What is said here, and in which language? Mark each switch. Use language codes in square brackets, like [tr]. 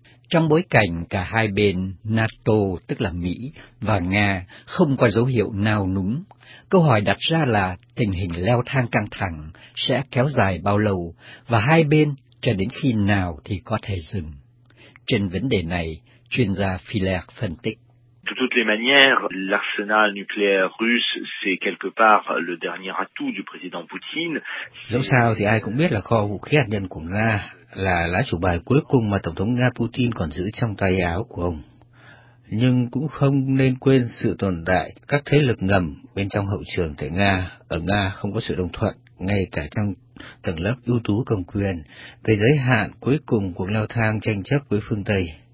[vi] Trong bối cảnh cả hai bên NATO, tức là Mỹ, và Nga không có dấu hiệu nào núng, câu hỏi đặt ra là tình hình leo thang căng thẳng sẽ kéo dài bao lâu, và hai bên cho đến khi nào thì có thể dừng. Trên vấn đề này, chuyên gia Filler phân tích. [fr] De toutes les manières, l'arsenal nucléaire russe, c'est quelque part le dernier atout du président Poutine. [vi] Dẫu sao thì ai cũng biết là kho vũ khí hạt nhân của Nga là lá chủ bài cuối cùng mà Tổng thống Nga Putin còn giữ trong tay áo của ông. Nhưng cũng không nên quên sự tồn tại các thế lực ngầm bên trong hậu trường tại Nga. Ở Nga không có sự đồng thuận, ngay cả trong tầng lớp ưu tú cầm quyền, về giới hạn cuối cùng cuộc leo thang tranh chấp với phương Tây.